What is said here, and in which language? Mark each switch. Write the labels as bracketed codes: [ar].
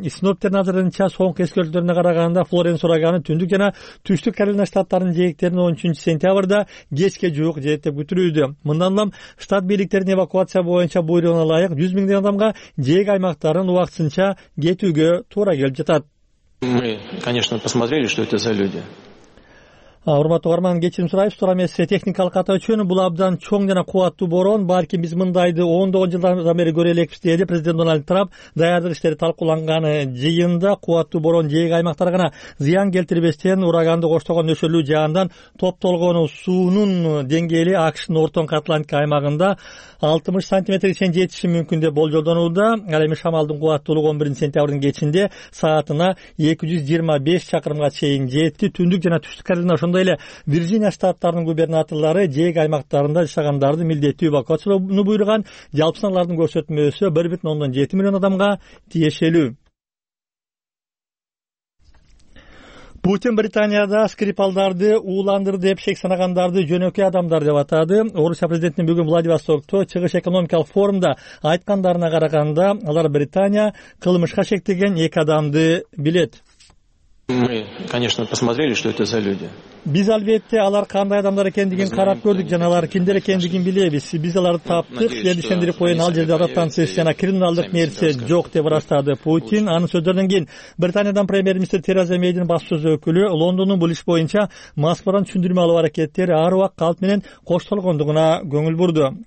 [ky] Синоптиктер азырынча соңку эскертүүлөргө караганда Флоренс ураганы түндүк жана түштүк Каролина штаттарынын жээктерин 13-сентябрда кечке жуук жээктеп күтүрүүдө. Мындан улам штат бийликтерин эвакуация боюнча буйругуна ылайык 100 000 адамга жээк аймактарын убактысынча кетүүгө туура келип жатат. [ru] Мы, конечно, посмотрели, что это за люди. [ky] Урматтуу угарман, кечирим сурайбыз. Туура эмес техникалык ката үчүн бул абдан чоң жана кубаттуу бороон. Балким биз мындайды 10-10 жылдан бери көрө элекпиз, деди президент Дональд Трамп. Даярдык иштери талкууланган жыйында кубаттуу бороон жээк аймактарына зыян келтирбестен ураганды коштогон нөшөрлүү жаандан топтолгон суунун деңгээли АКШнын Ортон Атлантика аймагында 60 сантиметрге чейин жетиши мүмкүн деп болжолдонууда. Ал эми шамалдын кубаттуулугу 11 сентябрдын кечинде саатына 225 чакырымга чейин жетти. Түндүк жана түштүк Каролина ошондой эле Вирджиния штаттарынын губернаторлору жээк аймактарында жашагандарды милдеттүү эвакуацияны буйруган. Жалпы саны алардын көрсөтмөсү 1.7 миллион адамга тиешелүү. Путин Британияда Скрипалдарды ууландырды деп шек санагандарды жөнөкөй адамдар деп атады. Орусия президентинин бүгүн Владивостокто чыгыш экономикалык форумда айткандарына караганда алар Британия кылмышка шектеген эки адамды билет. [ru] Мы, конечно, посмотрели, что это за люди. [ky] Биз албетте алар кандай адамдар экендигин карап көрдүк жана алар кимдер экендигин билебиз. Биз аларды таптык, жерлешендирип коюуну ал жерде адаптанциясы жана криминалдык мээриси жок деп ырастады Путин. Анын сөздөрүнөн кийин Британиядан премьер министр Тереза Мейдин баш өкүлү Лондондун бул иш боюнча Москвадан түшүндүрмө алуу аракеттери ар убакыт калп менен коштолгондугуна көңүл бурду.